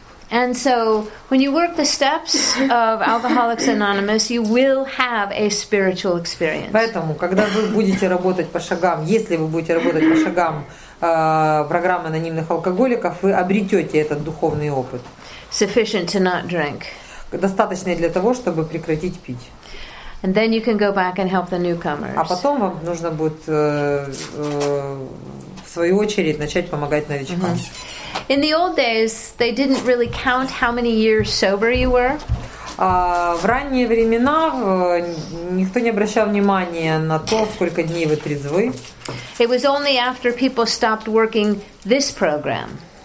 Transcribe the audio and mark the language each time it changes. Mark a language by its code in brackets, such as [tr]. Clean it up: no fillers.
[en] And so, when you work the steps of Alcoholics Anonymous, you will have a spiritual experience. [ru] Поэтому, когда вы будете работать по шагам, если вы будете работать по шагам программы анонимных алкоголиков, вы обретете этот духовный опыт. [en] Sufficient to not drink. [ru] Достаточный для того, чтобы прекратить пить. [en] And then you can go back and help the newcomers. [ru] А потом вам нужно будет в свою очередь начать помогать новичкам. [en] In the old days, they didn't really count how many years sober you were. [ru] В ранние времена никто не обращал внимания на то, сколько дней вы трезвы. [en] It was only after people stopped working this program.